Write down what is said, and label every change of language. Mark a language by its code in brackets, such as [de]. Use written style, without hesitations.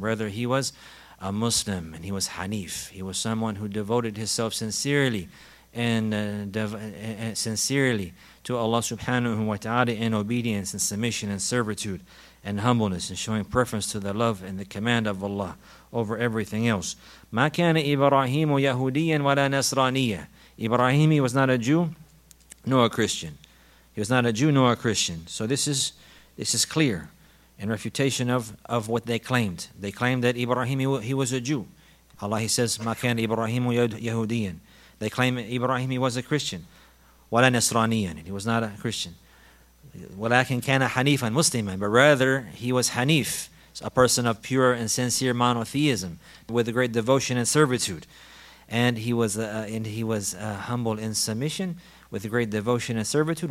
[en] Whether he was a Muslim and he was Hanif, he was someone who devoted himself sincerely and sincerely to Allah subhanahu wa ta'ala in obedience and submission and servitude and humbleness and showing preference to the love and the command of Allah over everything else. [ar] ما كان إبراهيم يهوديا ولا نصرانيا. [en] Ibrahim, he was not a Jew nor a Christian. He was not a Jew nor a Christian. So this is clear in refutation of what they claimed. They claimed that Ibrahim, he was a Jew. Allah, he says, [ar] ما كان إبراهيم يهوديا. [en] They claim Ibrahim, he was a Christian. [ar] ولا نصرانيا. [en] He was not a Christian. [ar] ولكن كان حنيفا مسلما. [en] But rather, he was حنيف, a person of pure and sincere monotheism, with great devotion and servitude. And he was humble in submission, with great devotion and servitude.